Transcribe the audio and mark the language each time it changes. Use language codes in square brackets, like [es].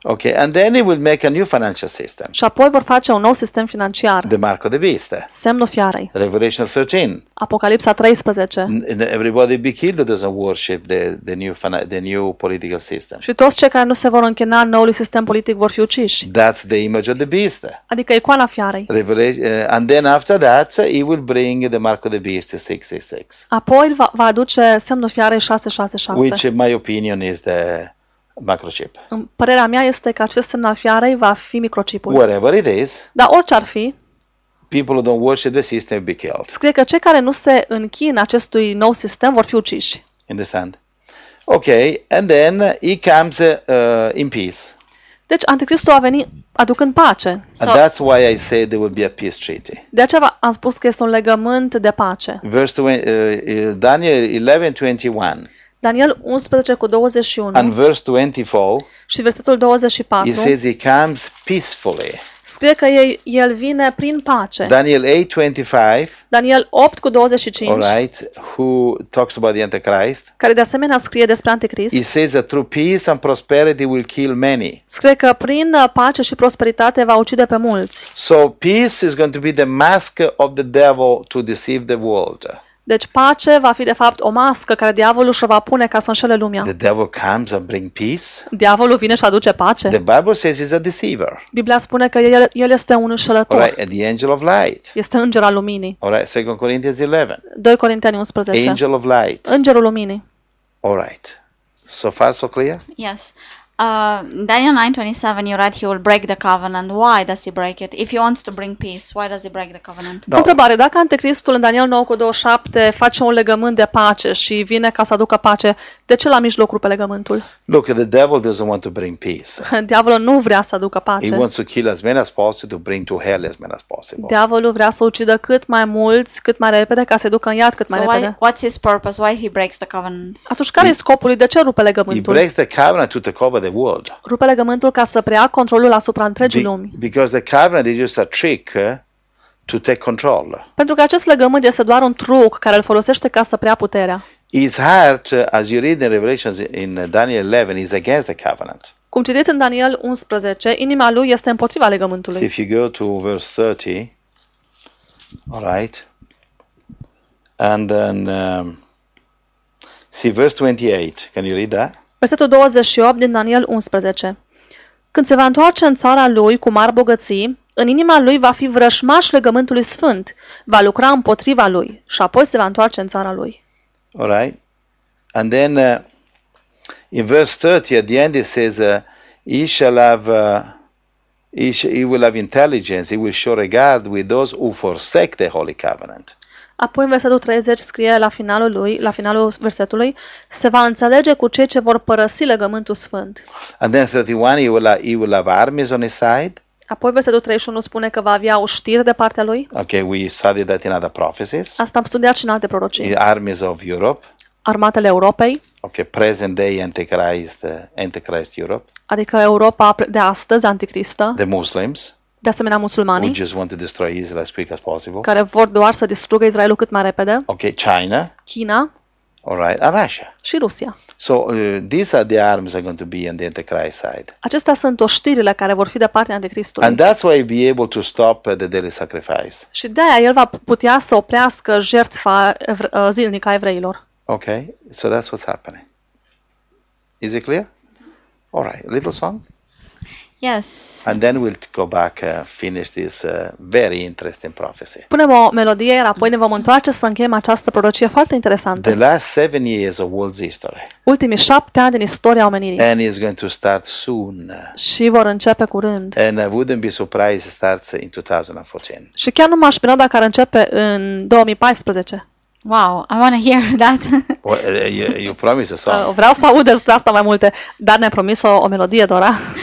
[en] Okay, and then it will make a new financial system. [ro] Și apoi vor face un nou sistem financiar. [en] The mark of the beast. [ro] Semnul fiarei. [en] Revelation 13. [ro] Apocalipsa 13. [en] And everybody be killed that doesn't worship the new political system. [ro] Și toți cei care nu se vor închina noului sistem politic vor fi uciși. [en] That's the image of the beast. [ro] Adică icoana fiarei. [en] And then after that, he will bring the mark of the beast 666. [ro] Apoi va aduce semnul fiarei 666. [en] Which in my opinion is the microchip. [ro] Părerea mea este că acest semn al fiarei va fi microchipul. [en] Whatever it is. [ro] Dar orice ar fi. [en] People who don't worship the system will be killed. [ro] Scrie că cei care nu se închin acestui nou sistem vor fi uciși. [en] Understand? Okay, and then he comes in peace. [ro] Deci Anticristul a venit aducând pace. [en] And so, that's why I say there will be a peace treaty. [ro] De aceea am spus că este un legământ de pace. [en] Verse 20, Daniel 11:21. [ro] Daniel 11:21. [en] And verse 24. [ro] Și versetul 24. [en] He says he comes peacefully. [ro] Scrie că el vine prin pace. [en] Daniel 8:25. [ro] Daniel 8:25. [en] All right, who talks about the Antichrist? [ro] Care de asemenea scrie despre Antichrist. [en] He says that through peace and prosperity will kill many. [ro] Scrie că prin pace și prosperitate va ucide pe mulți. [en] So peace is going to be the mask of the devil to deceive the world. [ro] Deci pace va fi de fapt o mască care diavolul și-o va pune ca să înșele lumea. [en] The devil comes and bring peace. [ro] Diavolul vine și aduce pace. [en] The Bible says he's a deceiver. [ro] Biblia spune că el este un înșelător. [en] All right, the angel of light. [ro] Este înger al luminii. [en] All right, 2 Corinthians 11. [ro] 2 Corinteni 11. [en] Angel of light. [ro] Îngerul luminii. [en] All right. So far so clear? Yes. Daniel 9:27, you read he will break the covenant. Why does he break it? If he wants to bring peace, why does he break the covenant? No. [ro] Întrebare, dacă Antichristul în Daniel 9:27 face un legământ de pace și vine ca să aducă pace, de ce l-a mijlocul pe legământul? [en] Look, the devil doesn't want to bring peace. [ro] Diavolul nu vrea să aducă pace. [en] He wants to kill as many as possible to bring to hell as many as possible. [ro] Diavolul vrea să ucidă cât mai mulți, cât mai repede, ca să ducă în iad cât mai repede. [en] So what's his purpose? Why he breaks the covenant? [ro] Atunci care e scopul lui? De ce rupe legământul? [en] He breaks the covenant to cover the world. [ro] Rupe legământul ca să preia controlul asupra întregii lumi. [en] Because the covenant is just a trick to take control. [ro] Pentru că acest legământ este doar un truc care îl folosește ca să preia puterea. [en] His heart, as you read in Revelations in Daniel 11, is against the covenant. [ro] Cum citit în Daniel 11, inima lui este împotriva legământului. [en] So if you go to verse 30, all right, and then see verse 28, can you read that? [ro] Versetul 28 din Daniel 11. Când se va întoarce în țara lui cu mari bogății, în inima lui va fi vrășmaș legământului sfânt, va lucra împotriva lui și apoi se va întoarce în țara lui. [en] All right. And then in verse 30 at the end it says he will have intelligence, he will show regard with those who forsake the holy covenant. [ro] Apoi în versetul 30 scrie la finalul versetului se va înțelege cu cei ce vor părăsi legământul sfânt. [en] And then 31 he will have armies on his side. [ro] Apoi versetul 31 spune că va avea uștiri de partea lui. [en] Okay, we studied that in other prophecies. [ro] Asta am studiat și în alte prorocii. [en] The armies of Europe. [ro] Armatele Europei. [en] Okay, present day Antichrist Europe. [ro] Adică Europa de astăzi anticristă. [en] The Muslims. [ro] De asemenea musulmani. [en] Who just want to destroy Israel as quick as possible. [ro] Care vor doar să distrugă Israelul cât mai repede. [en] Okay, China. [ro] China. [en] All right, and Russia. [ro] Și Rusia. [en] So these are the arms that are going to be on the Antichrist side. [ro] Acestea sunt oștirile care vor fi de partea Antichristului. [en] And that's why he'll be able to stop the daily sacrifice. [ro] Și de aia el va putea să oprească jertfa zilnică a evreilor. [en] Okay, so that's what's happening. Is it clear? All right, a little song. Yes. And then we'll go back and finish this very interesting prophecy. [ro] Punem o melodie, iar apoi ne vom întoarce să încheiem această prorocie foarte interesantă. [en] The last 7 years of world's history. [ro] Ultimii 7 ani din istoria omenirii. [en] And it's going to start soon. [ro] Și vor începe curând. [en] And I wouldn't be surprised if it starts in 2014. [ro] Și chiar nu m-aș mira dacă ar începe în 2014. [en] Wow, I want to hear that. Well, you promise a song. [ro] Vreau să aud despre asta mai multe, dar ne-ai promis o melodie, Dora.